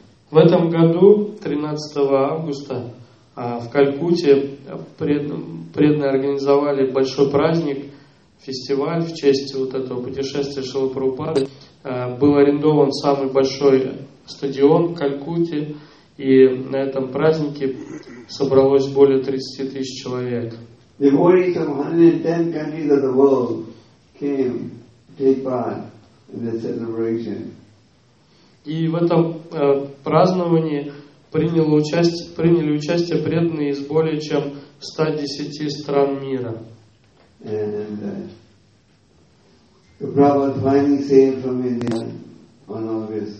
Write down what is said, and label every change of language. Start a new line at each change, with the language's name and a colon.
Russian: В этом году, 13 августа, в Калькутте преданные организовали большой праздник, фестиваль в честь вот этого путешествия Шрилы Прабхупады. Был арендован самый большой стадион в Калькутте, и на этом празднике собралось более 30 тысяч человек.
English: Devotees of 110 countries of the world came to take part in this celebration.
Russian: И в этом праздновании приняли участие преданные из более чем 110 стран мира.
English: And the Prabhupada finally sailed from India on August